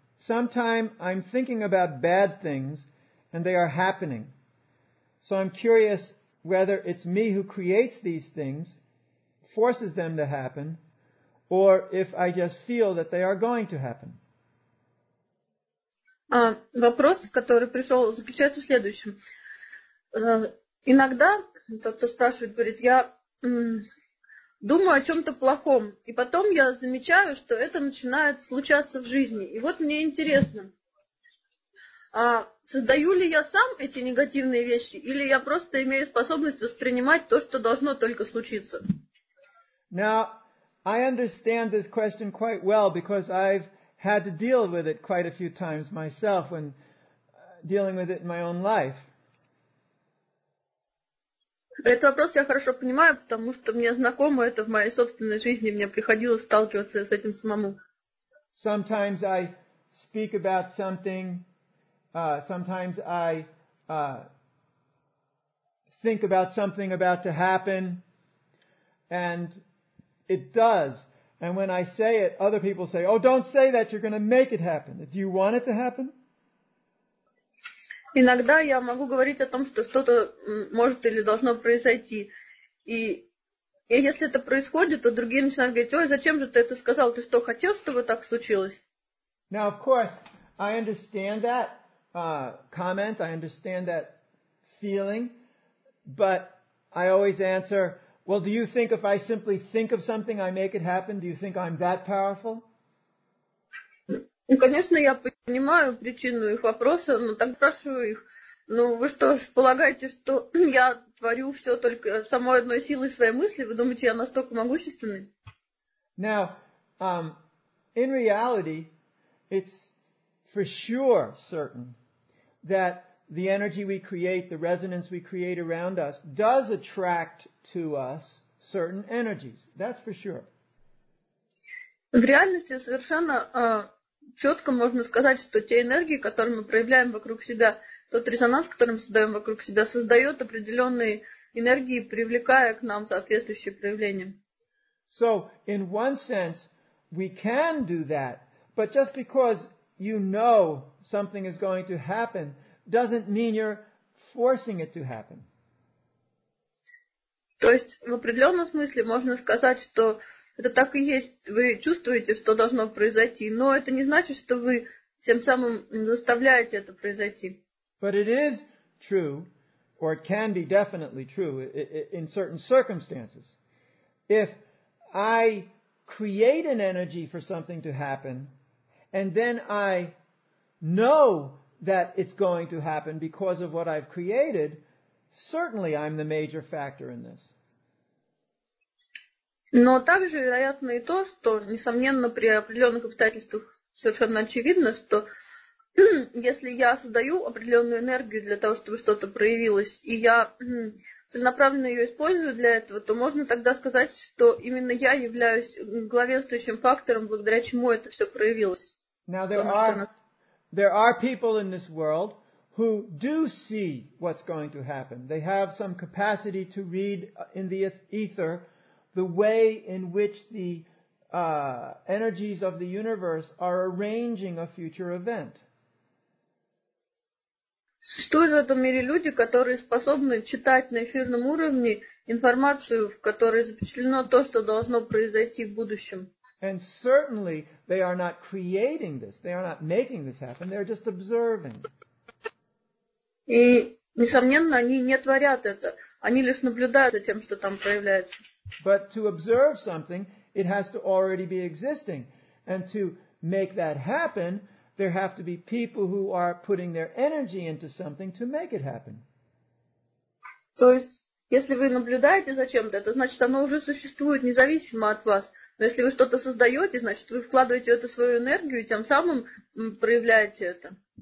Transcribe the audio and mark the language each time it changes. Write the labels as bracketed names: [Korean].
[English] Sometime I'm thinking about bad things and they are happening. So I'm curious whether it's me who creates these things, forces them to happen, or if I just feel that they are going to happen. [Russian] Вопрос, который пришел, заключается в следующем. Иногда тот, кто спрашивает, говорит, я думаю о чем-то плохом, и потом я замечаю, что это начинает случаться в жизни. И вот мне интересно, создаю ли я сам эти негативные вещи, или я просто имею способность воспринимать то, что должно только случиться? [English] Now, I understand this question quite well, because I've had to deal with it quite a few times myself when dealing with it in my own life. [Russian] Этот вопрос я хорошо понимаю, потому что мне знакомо это в моей собственной жизни, мне приходилось сталкиваться с этим самому. [English] Sometimes I speak about something, sometimes I think about something about to happen, and it does. And when I say it, other people say, oh, don't say that, you're going to make it happen. Do you want it to happen? [Russian] Иногда я могу говорить о том, что что-то может или должно произойти. И если это происходит, то другие начинают говорить, ой, зачем же ты это сказал? Ты что, хотел, чтобы так случилось? [English] Now, of course, I understand that comment, I understand that feeling, but I always answer, well, do you think if I simply think of something, I make it happen? Do you think I'm that powerful? [Russian] Ну, конечно, я понимаю причину их вопроса, но так спрашиваю их. Ну, вы что ж, полагаете, что я творю все только самой одной силой своей мысли? Вы думаете, я настолько могущественный? [English] Now, in reality, it's for sure certain that the energy we create, the resonance we create around us, does attract to us certain energies. That's for sure. [Russian] В реальности совершенно четко можно сказать, что те энергии, которые мы проявляем вокруг себя, тот резонанс, который мы создаем вокруг себя, создает определенные энергии, привлекая к нам соответствующие проявления. [English] So, in one sense, we can do that, but just because you know something is going to happen doesn't mean you're forcing it to happen. [Russian] То есть, в определенном смысле можно сказать, что это так и есть. Вы чувствуете, что должно произойти, но это не значит, что вы тем самым заставляете это произойти. [English] But it is true, or it can be definitely true, in certain circumstances. If I create an energy for something to happen, and then I know that it's going to happen because of what I've created, certainly I'm the major factor in this. [Russian] Но также вероятно и то, что, несомненно, при определенных обстоятельствах совершенно очевидно, что если я создаю определенную энергию для того, чтобы что-то проявилось, и я целенаправленно ее использую для этого, то можно тогда сказать, что именно я являюсь главенствующим фактором, благодаря чему это все проявилось. [English] Now, there are people in this world who do see what's going to happen. They have some capacity to read in the ether the way in which the energies of the universe are arranging a future event. [Russian] Существуют в этом мире люди, которые способны читать на эфирном уровне информацию, в которой запечатлено то, что должно произойти в будущем. [English] And certainly they are not creating this, they are not making this happen, they are just observing. [Russian] И, несомненно, они не творят это, они лишь наблюдают за тем, что там проявляется. [English] But to observe something, it has to already be existing. And to make that happen, there have to be people who are putting their energy into something to make it happen. [Russian] То есть, если вы наблюдаете за чем-то, это значит, оно уже существует независимо от вас. Но если вы что-то создаете, значит, вы вкладываете в это свою энергию и тем самым проявляете это.